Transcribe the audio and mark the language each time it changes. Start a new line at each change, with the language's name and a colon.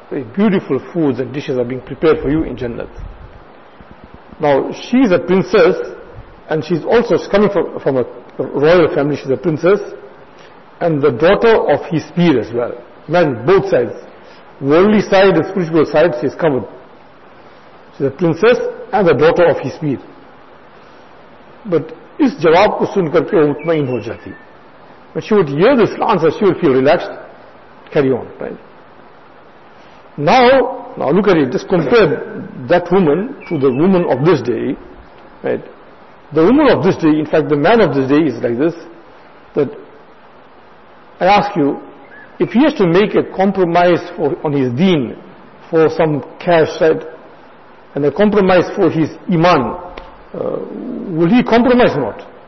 English: Very beautiful foods and dishes are being prepared for you in Jannat. Now she is a princess and she is also coming from a royal family. She is a princess and the daughter of his peer as well. Man, both sides, worldly side and spiritual side, she is covered. She is a princess and the daughter of his peer.
Urdu: But اس جواب کو سن کر کے وہ مطمئن ہو جاتی.
English: When she would hear this answer, she would feel relaxed, carry on, right? Now look at it, just compare that woman to the woman of this day, right? The woman of this day, in fact the man of this day is like this, that I ask you, if he has to make a compromise on his deen for some cash, right, and a compromise for his iman, will he compromise not?